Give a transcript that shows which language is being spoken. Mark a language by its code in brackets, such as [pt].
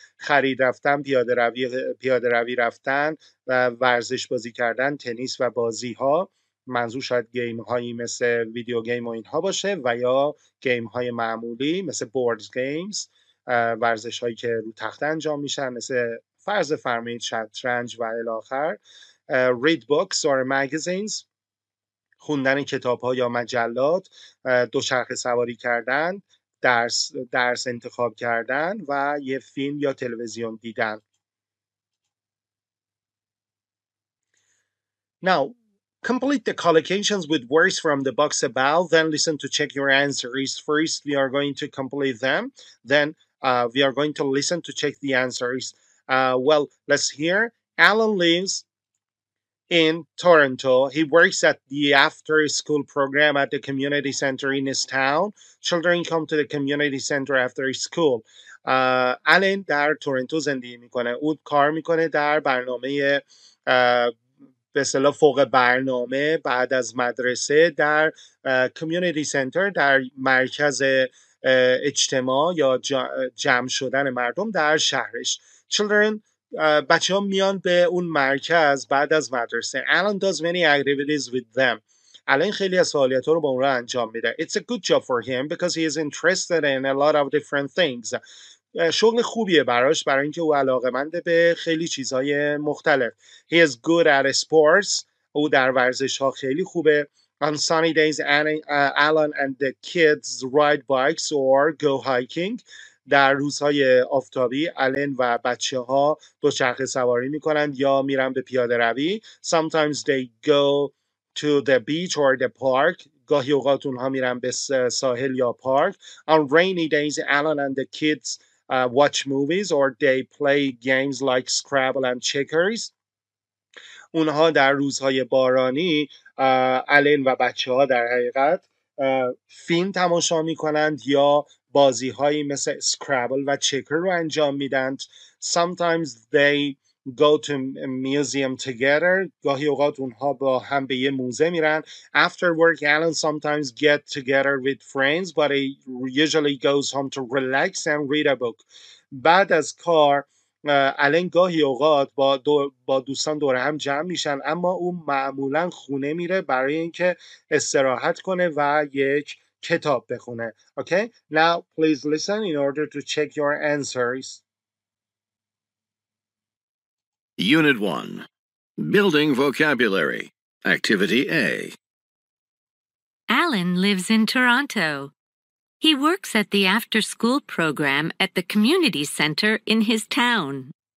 [fa] خرید رفتن، پیاده روی رفتن و ورزش بازی کردن، تنیس و بازی ها، منظور شاید گیم هایی مثل ویدیو گیم و اینها باشه، و یا گیم های معمولی مثل بورد گیمز، ورزش هایی که رو تخت انجام میشن، مثل فرض فرمایید شطرنج و الاخر. [en] read books or magazines، [fa] خوندن کتاب ها یا مجلات. دوچرخه سواری کردن، درس انتخاب کردن، و یه فیلم یا تلویزیون دیدن. [en] Now, complete the collocations with words from the box above, then listen to check your answers. First, we are going to complete them, then we are going to listen to check the answers. Well, let's hear. Alan lives in Toronto. He works at the after school program at the community center in his town. Children come to the community center after school. [fa] Alan در تورنتو زندگی میکنه. او کار میکنه در برنامه به اصطلاح فوق برنامه بعد از مدرسه در community center، در مرکز اجتماع یا جمع شدن مردم در شهرش. children بچه ها میان به اون مرکز بعد از مدرسه. [en] Alan does many activities with them. [fa] Alan خیلی از فعالیت ها رو با اون رو انجام میده. [en] It's a good job for him because he is interested in a lot of different things. [fa] شغل خوبیه براش، برای اینکه او علاقه منده به خیلی چیزهای مختلف. [en] He is good at sports. [fa] او در ورزش ها خیلی خوبه. [en] On sunny days, Alan and the kids ride bikes or go hiking. [fa] در روزهای آفتابی آلن و بچه ها دوچرخه سواری می کنند یا میرن به پیاده روی. [en] Sometimes they go to the beach or the park. [fa] گاهی اوقات اونها میرن به ساحل یا پارک. [en] On rainy days, Alan and the kids watch movies or they play games like Scrabble and Checkers. [fa] اونها در روزهای بارانی آلن و بچه ها در حقیقت فیلم تماشا می کنند یا بازی هایی مثل Scrabble و Checker رو انجام میدند. [en] Sometimes they go to a museum together. [fa] گاهی اوقات اونها با هم به یه موزه میرن. [en] After work, Alan sometimes get together with friends, but he usually goes home to relax and read a book. [fa] بعد از کار الان گاهی اوقات با دوستان دور هم جمع میشن، اما اون معمولا خونه میره برای اینکه استراحت کنه و یک کتاب بخونه. [en] Okay? Now please listen in order to check your answers. Unit 1. Building Vocabulary. Activity A. Alan lives in Toronto. He works at the after-school program at the community center in his town.